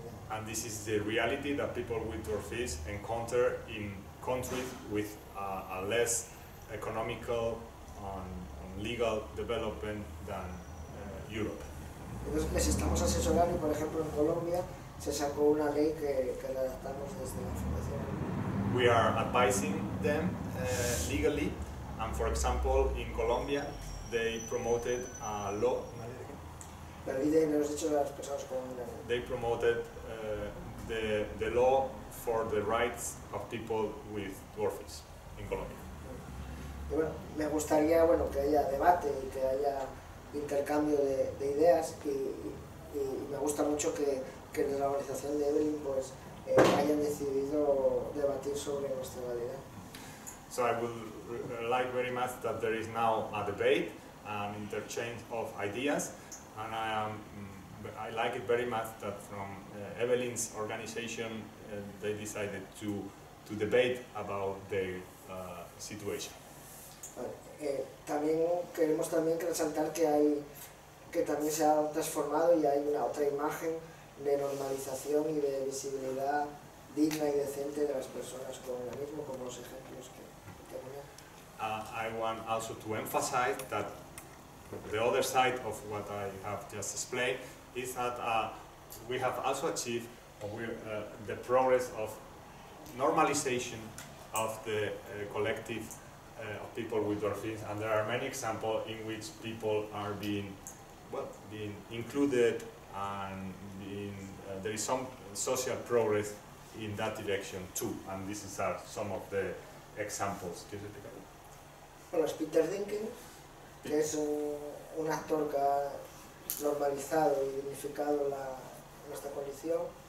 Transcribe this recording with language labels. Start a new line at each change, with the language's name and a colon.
English: And this is the reality that people with dwarfism encounter in countries with a less economical and legal development than Europe.
Spanish: Entonces les estamos asesorando, por ejemplo, en Colombia se sacó una ley que la adaptamos desde la Fundación.
English: We are advising them legally, and for example, in Colombia, they promoted a law. They promoted the law for the rights of people with dwarfism in Colombia.
Spanish: Bueno, me gustaría bueno que haya debate y que haya intercambio de ideas y me gusta mucho que en la organización de Evelyn pues hayan decidido debatir sobre nuestra realidad.
English: So I would like very much that there is now a debate, an interchange of ideas. And I like it very much that from Evelyn's organization they decided to debate about the situation.
Spanish: También queremos también resaltar que también se ha transformado y hay una otra imagen de normalización y de visibilidad digna y decente de las personas con el mismo, como los ejemplos que tenía.
English: I want also to emphasize that the other side of what I have just explained is that we have also achieved the progress of normalization of the collective of people with dwarfism, and there are many examples in which people are being included and there is some social progress in that direction too, and these are some of the examples.
Spanish: Hola, Peter Dinkin, que es un actor que ha normalizado y dignificado nuestra condición.